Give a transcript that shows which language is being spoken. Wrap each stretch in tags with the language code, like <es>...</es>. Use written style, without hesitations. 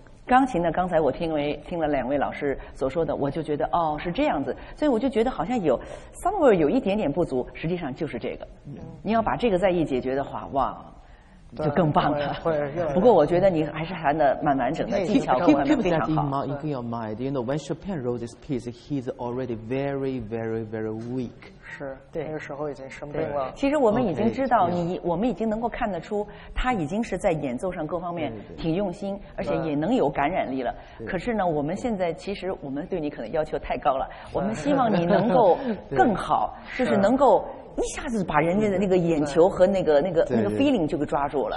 <zh>钢琴呢，刚才我听了两位老师所说的，我就觉得哦是这样子，所以我就觉得好像有 somewhere 有一点点不足，实际上就是这个。你要把这个再一解决的话，哇，就更棒了。不过我觉得你还是弹得蛮完整的，技巧各方面非常好。</zh> <en>Keep that in your mind. You know, when Chopin wrote this piece, he's already very, very, very weak.</en> <zh>是，对，那个时候已经生病了。其实我们已经知道你 okay,、yeah. 我们已经能够看得出他已经是在演奏上各方面挺用心，对对对，而且也能有感染力了。可是呢，我们现在其实我们对你可能要求太高了，我们希望你能够更好，就是能够一下子把人家的那个眼球和那个 feeling 就给抓住了，</zh>